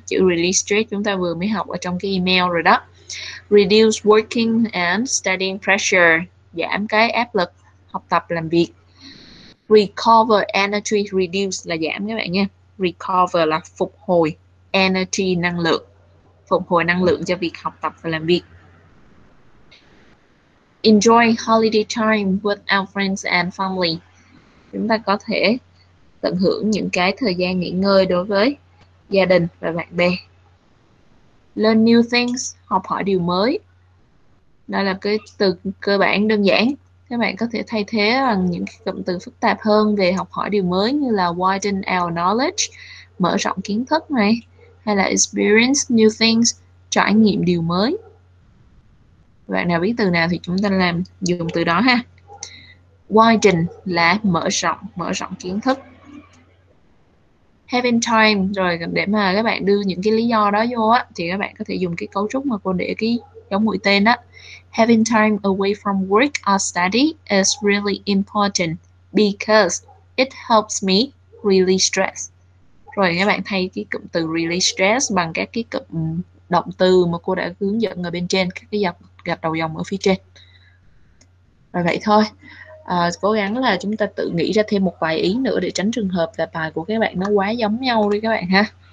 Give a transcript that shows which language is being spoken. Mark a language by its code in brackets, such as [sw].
[vi] Chữ release stress chúng ta vừa mới học ở trong cái email rồi đó. [en] Reduce working and studying pressure, [vi] giảm cái áp lực học tập làm việc. [en] Recover energy, [vi] reduce là giảm các bạn nha. Recover là phục hồi energy, năng lượng. Phục hồi năng lượng cho việc học tập và làm việc. [en] Enjoy holiday time with our friends and family. [vi] Chúng ta có thể tận hưởng những cái thời gian nghỉ ngơi đối với gia đình và bạn bè. [en] Learn new things, [vi] học hỏi điều mới. Đó là cái từ cơ bản đơn giản. Các bạn có thể thay thế bằng những cụm từ phức tạp hơn về học hỏi điều mới như là [en] widen our knowledge, [vi] mở rộng kiến thức này, hay là [en] experience new things, [vi] trải nghiệm điều mới. Bạn nào biết từ nào thì chúng ta làm dùng từ đó ha. Widen là mở rộng kiến thức. [en] Having time, [vi] rồi để mà các bạn đưa những cái lý do đó vô á, thì các bạn có thể dùng cái cấu trúc mà cô để cái giống mũi tên á. [en] Having time away from work or study is really important because it helps me release stress. [vi] Rồi các bạn thay cái cụm từ release stress bằng các cái cụm động từ mà cô đã hướng dẫn ở bên trên, các cái gạch gạch đầu dòng ở phía trên. Rồi vậy thôi. Cố gắng là chúng ta tự nghĩ ra thêm một vài ý nữa để tránh trường hợp là bài của các bạn nó quá giống nhau đi các bạn ha.